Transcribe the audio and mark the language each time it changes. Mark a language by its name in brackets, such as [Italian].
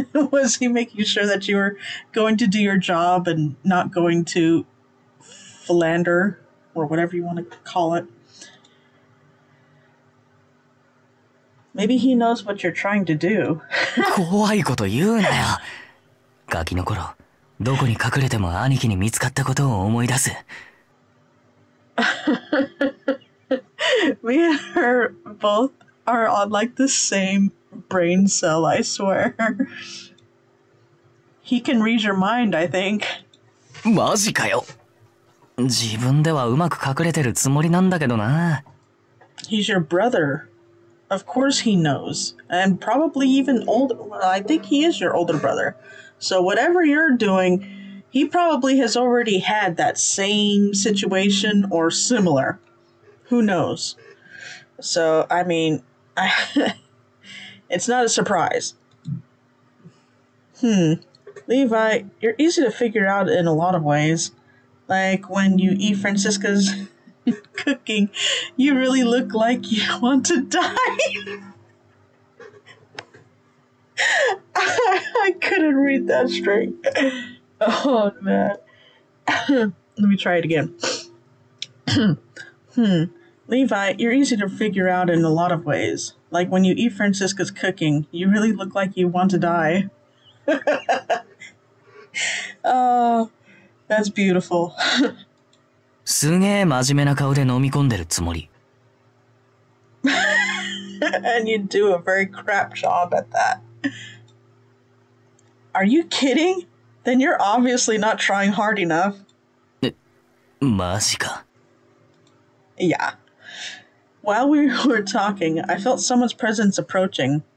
[English] Was he making sure that you were going to do your job and not going to philander or whatever you want to call it? Maybe he knows what you're trying to do. [Japanese] 怖いこと言うなよ。ガキの頃、どこに隠れても兄貴に見つかったことを思い出す。 [English] Me and her both are on like the same brain cell, I swear. He can read your mind, I think. [Japanese] マジかよ。自分ではうまく隠れてるつもりなんだけどな。 [English] He's your brother. Of course he knows. And probably even older. Well, I think he is your older brother. So whatever you're doing... He probably has already had that same situation or similar. Who knows? So, I mean, it's not a surprise. Levi, you're easy to figure out in a lot of ways. Like when you eat Francisca's cooking, you really look like you want to die. I couldn't read that straight. Oh, man. Let me try it again. Levi, you're easy to figure out in a lot of ways. Like when you eat Francisca's cooking, you really look like you want to die. Oh, that's beautiful. [Japanese] すげえ真面目な顔で飲み込んでるつもり。 [English] And you do a very crap job at that. Are you kidding? Then you're obviously not trying hard enough. [Japanese] Majika. [English] Yeah. While we were talking, I felt someone's presence approaching.